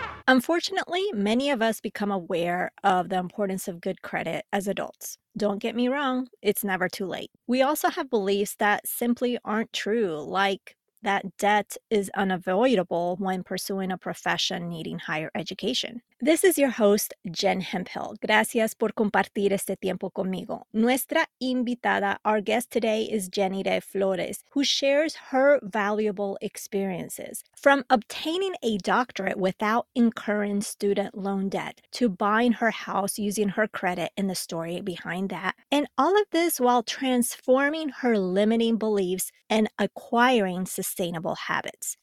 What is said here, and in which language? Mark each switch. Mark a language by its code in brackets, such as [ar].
[en] Unfortunately, many of us become aware of the importance of good credit as adults. Don't get me wrong, it's never too late. We also have beliefs that simply aren't true, like that debt is unavoidable when pursuing a profession needing higher education. This is your host, Jen Hempel. [es] Gracias por compartir este tiempo conmigo. Nuestra invitada, [en] our guest today, is Jenny De Flores, who shares her valuable experiences. From obtaining a doctorate without incurring student loan debt, to buying her house using her credit and the story behind that, and all of this while transforming her limiting beliefs and acquiring sustainable habits.